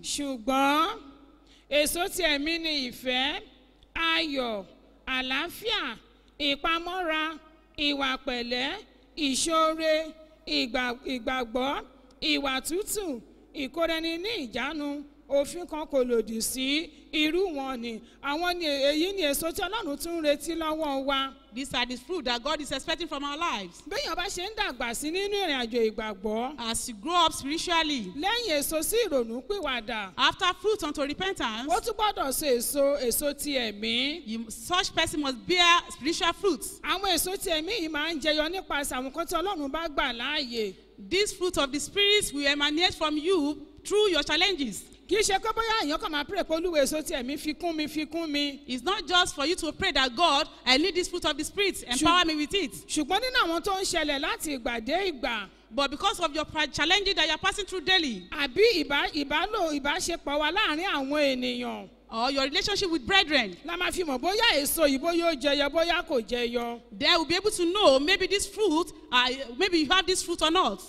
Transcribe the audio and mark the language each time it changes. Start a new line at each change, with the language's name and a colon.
Yoruba: Ṣùgbọ́n èso ti ẹ̀mí ni ìfẹ́, ayọ̀, àlàáfíà, ìpamọ́ra, ìwà pẹ̀lẹ́, ìṣòre, ìgbàgbọ́, ìwà tútù, ìkóreni ní ìjánu, òfin kan kò lòdì sí irú wọn ni. Àwọn ni èyí ni èso tí Ọlọ́run tún ń retí lọ́wọ́ wa.
English: These are the fruit that God is expecting from our lives.
Yoruba: Béèyàn bá ṣe ń dàgbà sí nínú ìrìnàjò ìgbàgbọ́.
English: As you grow up spiritually.
Yoruba: Lẹ́yìn èso sí ìrònú pìwàdà.
English: After fruit unto repentance.
Yoruba: Ó tún gbọ́dọ̀ ṣe èso ti ẹ̀mí.
English: Such person must bear spiritual fruits.
Yoruba: Àwọn èso ti ẹ̀mí yìí máa ń jẹyọ nípasẹ̀ àwọn nǹkan tí Ọlọ́run bá gbà láàyè.
English: This fruit of the spirit will emanate from you through your challenges.
Yoruba: Kì í ṣe pé bóyá èèyàn kàn máa pray pé Olúwa èso ti ẹ̀mí fikún mi fikún mi.
English: It's not just for you to pray that God, I need this fruit of the spirit, empower me with it.
Yoruba: Ṣùgbọ́n nínú àwọn tó ń ṣẹlẹ̀ láti ìgbà dé ìgbà.
English: But because of your challenges that you are passing through daily.
Yoruba: Àbí ìbáṣepọ̀ wa láàrin àwọn ènìyàn.
English: Or your relationship with brethren.
Yoruba: La ma fi mo boya eso yi boya o jeyo boya ko jeyo.
English: They will be able to know maybe this fruit, maybe you have this fruit or not.